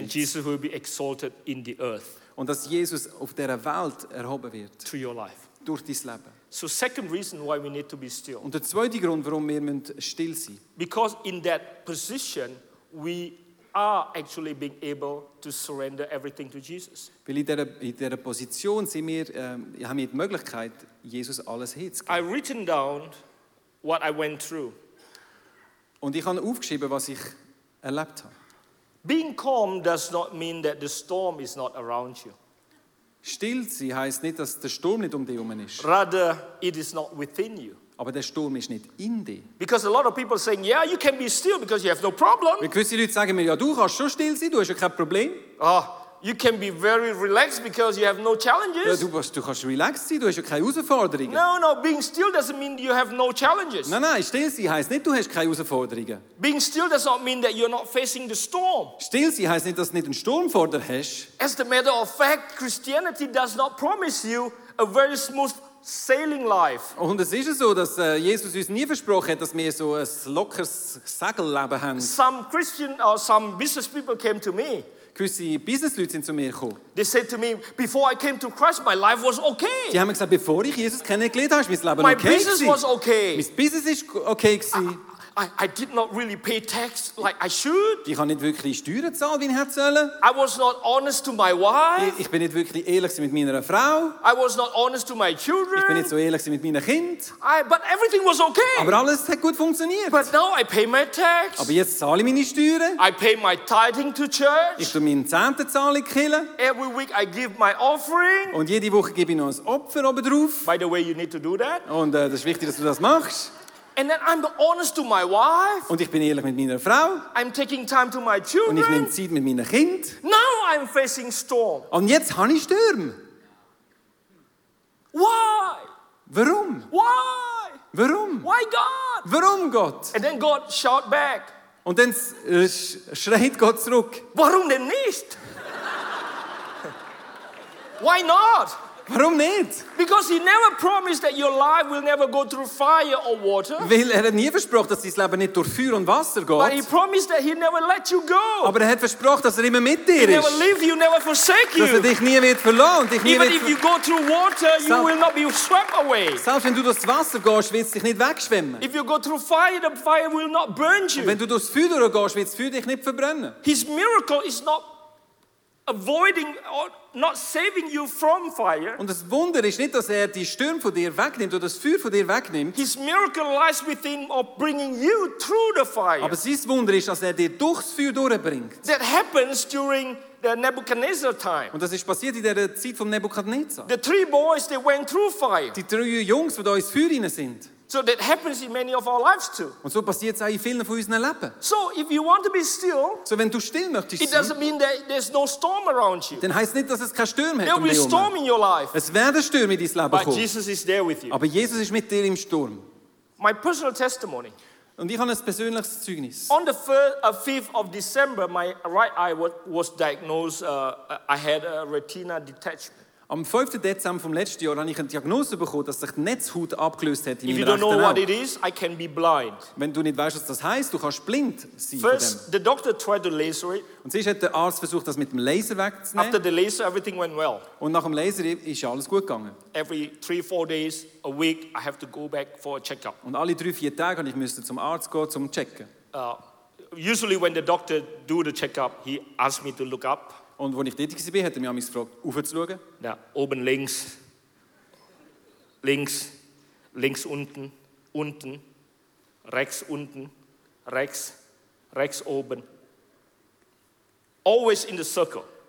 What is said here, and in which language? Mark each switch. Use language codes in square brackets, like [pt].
[en] And Jesus will be exalted in the earth. [de] Und dass Jesus auf dieser Welt erhoben wird. [en] Through your life. [de] Durch dein Leben. [en] So second reason why we need to be still. [de] Und der zweite Grund, warum wir müssen still sein. [en] Because in that position we are actually being able to surrender everything to Jesus. [de] Weil in dieser Position sind wir, haben wir die Möglichkeit, Jesus alles hinzugeben. [en] I've written down what I went through. [de] Und ich habe aufgeschrieben, was ich erlebt habe. [en] Being calm does not mean that the storm is not around you. [de] Still sein heisst nicht, dass der Sturm nicht um dich herum ist. [en] Rather, it is not within you. [de] Aber der Sturm ist nicht in dir. [en] Because a lot of people saying, yeah, you can be still because you have no problem. [de] Weil gewisse Leute sagen mir, ja, du kannst schon still sein, du hast ja kein Problem. [en] Ah, you can be very relaxed because you have no challenges. [de] Ja, du kannst relaxed sein, du hast ja keine Herausforderungen. [en] No, being still doesn't mean you have no challenges. [de] Nein, still sein heisst nicht, du hast keine Herausforderungen. [en] Being still does not mean that you're not facing the storm. [de] Still sein heisst nicht, dass du nicht einen Sturm vor dir hast. [en] As a matter of fact, Christianity does not promise you a very smooth sailing life. [de] Und es ist so, dass Jesus uns nie versprochen hat, dass wir so ein lockeres Segelleben haben. [en] Some Christian or some business people came to me. [de] Gewisse Business-Leute sind zu mir gekommen. [en] They said to me, before I came to Christ, my life was okay. [de] Die haben gesagt, bevor ich Jesus kennengelernt habe, ist mein Leben [en] my okay. My business was okay. [de] Mein Business ist okay gewesen. [en] I did not really pay tax like I should. [de] Ich habe nicht wirklich Steuern zahlt, wie ich hätte sollen. [en] I was not honest to my wife. [de] Ich bin nicht wirklich ehrlich mit meiner Frau. [en] I was not honest to my children. [de] Ich bin nicht so ehrlich mit meinen Kindern. [en] But everything was okay. [de] Aber alles hat gut funktioniert. [en] But now I pay my tax. [de] Aber jetzt zahle ich meine Steuern. [en] I pay my tithing to church. [de] Ich tue meine Zehntenzahlung killen. [en] Every week I give my offering. [de] Und jede Woche gebe ich noch ein Opfer obendrauf. [en] By the way, you need to do that. [de] Und das ist wichtig, dass du das machst. [en] And then I'm honest to my wife. [de] Und ich bin ehrlich mit meiner Frau. [en] I'm taking time to my children. [de] Und ich nehme Zeit mit meinen Kind. [en] Now I'm facing storm. [de] Und jetzt habe ich Sturm. [en] Why? [de] Warum? [en] Why? [de] Warum? [en] Why God? [de] Warum Gott? [en] And then God shout back. [de] Und dann schreit Gott zurück. Warum denn nicht? [en] Why not? [de] Warum nicht? [en] Because he never promised that your life will never go through fire or water. [de] Weil er hat nie versprochen, dass dein Leben nicht durch Feuer und Wasser geht. [en] But he promised that he'll never let you go. [de] Aber er hat versprochen, dass er immer mit dir [en] he [de] ist. [en] He'll never leave you, never forsake you. [de] Dass er dich nie wird verlassen und dich [en] even [de] nie [en] if you go through water, you will not be swept away. [de] Selbst wenn du durchs Wasser gehst, wird es dich nicht wegschwimmen. [en] If you go through fire, the fire will not burn you. [de] Und wenn du durchs Feuer gehst, wird das Feuer dich nicht verbrennen. [en] His miracle is not avoiding or not saving you from fire. [de] Und das Wunder ist nicht, dass er die Stürme von dir wegnimmt oder das Feuer von dir wegnimmt. [en] His miracle lies within of bringing you through the fire. [de] Aber sein Wunder ist, dass er dir durchs Feuer durchbringt. [en] That happens during the Nebuchadnezzar time. [de] Und das ist passiert in der Zeit von Nebuchadnezzar. [en] The three boys, they went through fire. [de] Die drei Jungs, die da ins Feuer rein sind. [en] So that happens in many of our lives too. [de] Und so passiert es auch in vielen von unseren Leben. [en] So if you want to be still, [de] so wenn du still möchtest, [en] it doesn't mean that there's no storm around you. [de] Dann heißt nicht, dass es kein Sturm hat. [en] There will be storm in your life. [de] Es werden Stürme in dein Leben kommen. [en] Jesus is there with you. [de] Aber Jesus ist mit dir im Sturm. [en] My personal testimony. [de] Und ich habe ein persönliches Zeugnis. [en] On the 5th of December, my right eye was diagnosed. I had a retina detachment. [de] Am 5. Dezember vom letzten Jahr habe ich eine Diagnose bekommen, dass sich die Netzhaut abgelöst hat in meinem rechten Auge. [en] What it is, I can be blind. [de] Wenn du nicht weißt, was das heisst, du kannst blind sein. [en] First, the doctor tried to laser it. [de] Und sie hat der Arzt versucht, das mit dem Laser wegzunehmen. [en] After the laser, everything went well. [de] Und nach dem Laser ist alles gut gegangen. [en] Every 3-4 days a week, I have to go back for a checkup. [de] Und alle 3-4 Tage musste ich zum Arzt gehen, zum checken. [en] Usually when the doctor do the checkup, he asked me to look up. [de] Und wo ich tätig war, hat er mich auch gefragt, aufzuschauen. Ja, oben links, links, links unten, unten, rechts unten, rechts, rechts oben. [en] Always in the circle.